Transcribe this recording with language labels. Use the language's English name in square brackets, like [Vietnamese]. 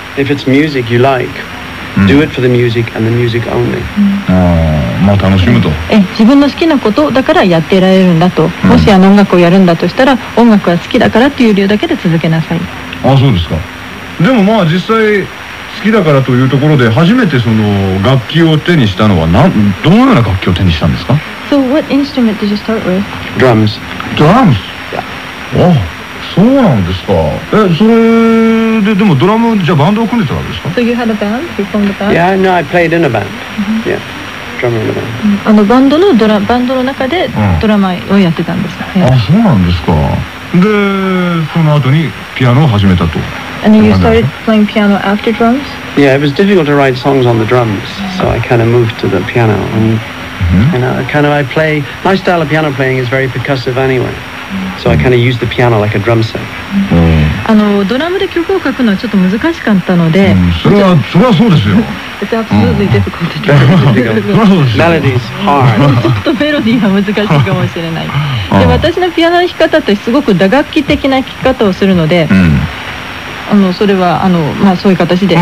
[English] If it's music you like, do it for the music and the music only. [Japanese] まあ楽しむと。自分の好きなことだからやってられるんだと。もし音楽をやるんだとしたら、音楽は好きだからっていう理由だけで続けなさい。あ、そうですか。でもまあ実際好きだからというところで、初めてその楽器を手にしたのは、どのような楽器を手にしたんですか？ [English] So what instrument did you start with? Drums. Drums? Yeah. [Japanese] あ、そうなんですか。それで、でもドラム、じゃあバンドを組んでたわけですか？ [English] So you had a band? You formed a band? Yeah, no, I played in a band. Yeah. [Japanese] あのバンドのドラ、バンドの中でドラマをやってたんですか、うん、あ、そうなんですか。で、その後にピアノを始めたと。 [English] And you started playing piano after drums? Yeah, it was difficult to write songs on the drums, so I kind of moved to the piano. And, and I kind of, I play, my style of piano playing is very percussive anyway. So I kind of use the piano like a drum set. [Japanese] あのドラムで曲を書くのはちょっと難しかったので、それはそうですよ。 [English] It's absolutely difficult to do. Melody is hard. [Japanese] ちょっとメロディーが難しいかもしれない。で、私のピアノの弾き方ってすごく打楽器的な弾き方をするので、それはまあそういう形で。